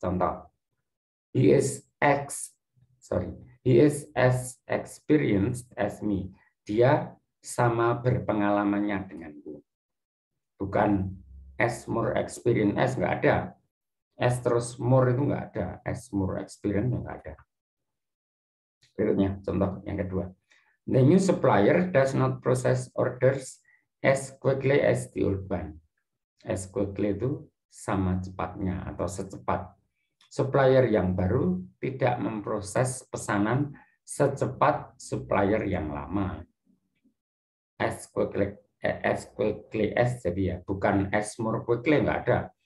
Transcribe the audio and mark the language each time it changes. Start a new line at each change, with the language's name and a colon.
English: Contoh, he is as experienced as me.
Indonesian: Dia sama berpengalamannya denganku. Bukan as more experienced as, enggak ada. As terus more itu enggak ada. As more experienced enggak ada. Berikutnya, contoh yang kedua.
English: The new supplier does not process orders as quickly as the old one.
Indonesian: As quickly itu sama cepatnya atau secepat. Supplier yang baru tidak memproses pesanan secepat supplier yang lama. As quickly as jadi ya, bukan as more quickly, enggak ada.